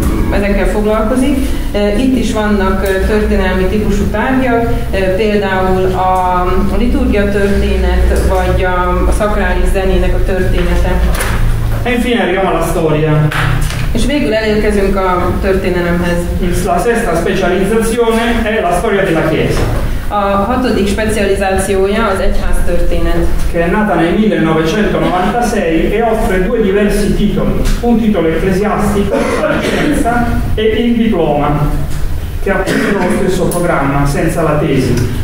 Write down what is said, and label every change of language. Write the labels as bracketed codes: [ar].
[hu] Ezekkel foglalkozik. Itt is vannak történelmi típusú tárgyak, például a liturgia történet, vagy a szakrális zenének a története. [it] Infine arriviamo alla storia. [hu] És végül elérkezünk a történelemhez. [it] La sesta specializzazione è la storia della Chiesa. [hu] A hatodik specializációja az egyház történet. [it] Che è nata nel 1996 e offre due diversi titoli. Un titolo ecclesiastico, la licenza, e il diploma, che appunto lo stesso programma, senza la tesi.